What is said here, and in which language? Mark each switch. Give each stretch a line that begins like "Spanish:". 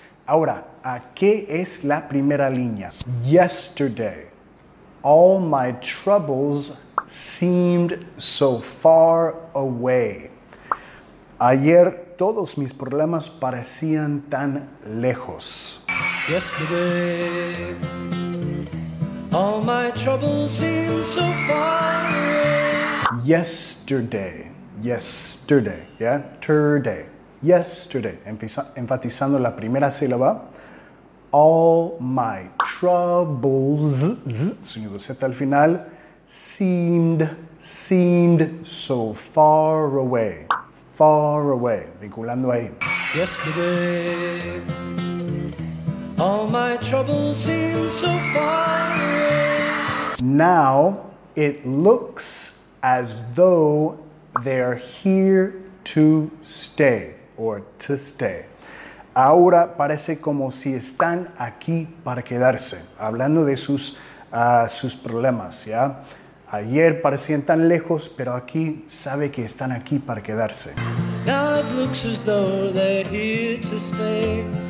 Spanish: Ahora, ¿qué es la primera línea?
English: Yesterday. All my troubles seemed so far away.
Spanish: Ayer todos mis problemas parecían tan lejos.
English: Yesterday, all my troubles seemed so far away. Yesterday, yesterday, yesterday, yesterday.
Spanish: Enfatizando la primera sílaba.
English: All my troubles,
Spanish: sonido Z al final,
English: seemed so far away, far away,
Spanish: vinculando ahí.
English: Yesterday, all my troubles seemed so far away. Now it looks as though they're here to stay, or to stay.
Spanish: Ahora parece como si están aquí para quedarse, hablando de sus problemas, ¿ya? Ayer parecían tan lejos, pero aquí sabe que están aquí para quedarse.
English: Now it looks as though they're here to stay.